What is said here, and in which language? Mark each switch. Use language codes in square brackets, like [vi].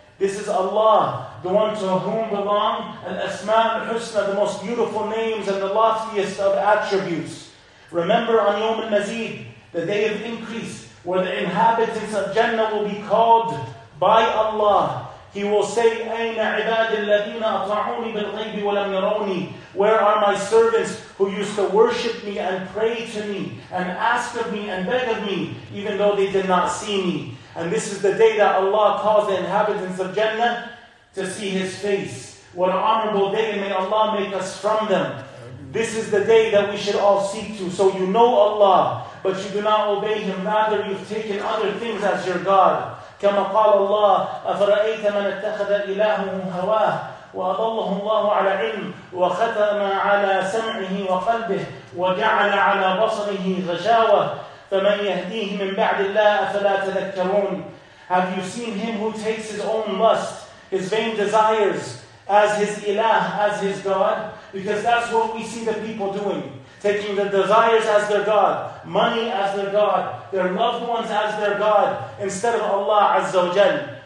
[en] This is Allah, the one to whom belong al-asma al-husna, the most beautiful names and the loftiest of attributes. Remember on Yawm al-Mazid, the day of increase, where the inhabitants of Jannah will be called by Allah. He will say, [ar] أَيْنَ عِبَادِ الَّذِينَ أَطَعُونِ بِالْغَيْبِ وَلَمْ يَرَوْنِي. [en] Where are my servants who used to worship me and pray to me and ask of me and beg of me, even though they did not see me? And this is the day that Allah calls the inhabitants of Jannah to see His face. What an honorable day, and may Allah make us from them. This is the day that we should all seek to. So you know Allah, but you do not obey Him. Rather, you've taken other things as your God. [ar] كما قال الله أفرأيت من اتخذ إلهه هواه وأضله الله على علم وختم على سمعه وقلبه وجعل على بصره غشاوة فمن يهديه من بعد الله أفلا تذكرون. [en] Have you seen him who takes his own lust, his vain desires, as his ilah, as his God? Because that's what we see the people doing. Taking the desires as their God, money as their God, their loved ones as their God, instead of Allah Azza wa Jal.